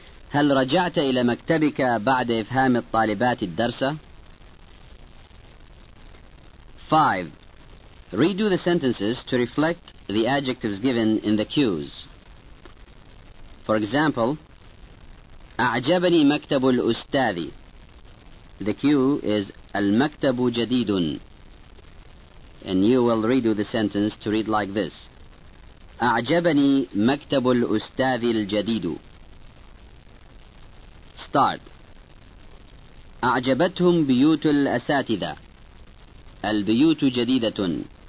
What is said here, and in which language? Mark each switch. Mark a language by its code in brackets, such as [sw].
[ar] هل رجعت إلى مكتبك بعد إفهام الطالبات الدرس؟ 5. [en] Redo the sentences to reflect the adjectives given in the cues. For example, [ar] أعجبني مكتب الأستاذ. [en] The cue is [ar] المكتب جديد. [en] And you will redo the sentence to read like this. [ar] أعجبني مكتب الأستاذ الجديد. [en] Start. [ar] أعجبتهم بيوت الأساتذة. البيوت جديدة.